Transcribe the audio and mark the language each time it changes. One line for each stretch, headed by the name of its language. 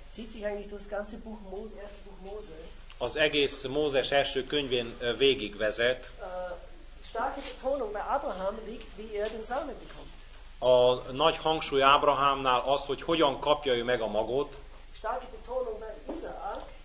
German: zieht sich eigentlich durch das ganze Buch Mose, erste Buch Mose,
Hungarian: az egész Mózes első könyvén végigvezet.
German: Starke Betonung bei Abraham liegt, wie den Samen bekommt.
Hungarian: A nagy hangsúly Ábrahámnál az, hogy hogyan kapja ő meg a magot.
German: Starke Betonung bei Isaac.